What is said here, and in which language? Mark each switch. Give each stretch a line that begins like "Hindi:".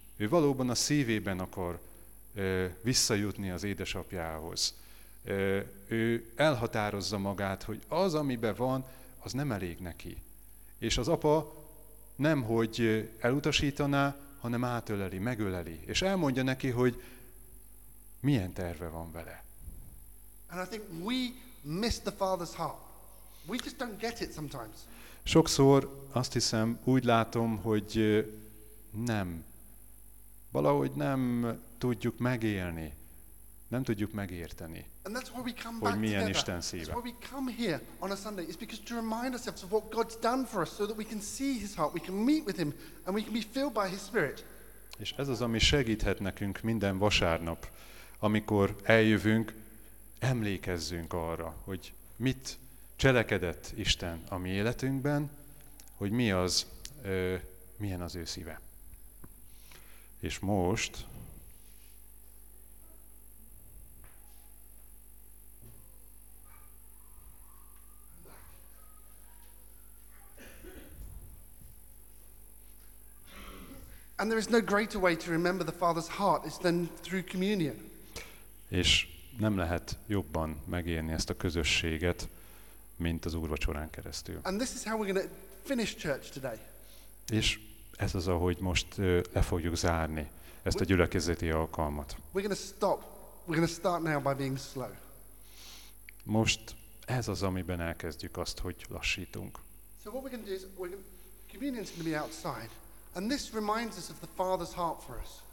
Hungarian: Ő valóban a szívében akar visszajutni az édesapjához. Ő elhatározza magát, hogy az, amiben van, az nem elég neki. És az apa nem, hogy elutasítaná, hanem átöleli, megöleli. És elmondja neki, hogy milyen terve van vele.
English: And I think we miss the Father's heart. We just don't get it sometimes.
Hungarian: Sokszor azt hiszem, úgy látom, hogy nem. Valahogy nem tudjuk megélni. Nem tudjuk megérteni,
English: and that's why we come
Hungarian: hogy
English: back
Hungarian: milyen
English: together.
Hungarian: Isten szíve.
English: That's why we come here on a Sunday. It's because to remind ourselves of what God's done for us so that we can see his heart, we can meet with him, and we can be filled by his spirit.
Hungarian: És ez az, ami segíthet nekünk minden vasárnap, amikor eljövünk, emlékezzünk arra, hogy mit cselekedett Isten a mi életünkben, hogy mi az, milyen az ő szíve. És most...
English: And there is no greater way to remember the Father's heart is than through communion.
Hungarian: És nem lehet jobban megélni ezt a közösséget, mint az úrvacsorán keresztül.
English: And this is how we're going to finish church today.
Hungarian: És ez az, ahogy most le fogjuk zárni ezt a gyülekezeti alkalmat.
English: We're going to stop. We're going to start now by being slow.
Hungarian: Most ez az, amiben elkezdjük azt, hogy lassítunk.
English: So what we're going to do is communion's going to be outside. And this reminds us of the Father's heart for us.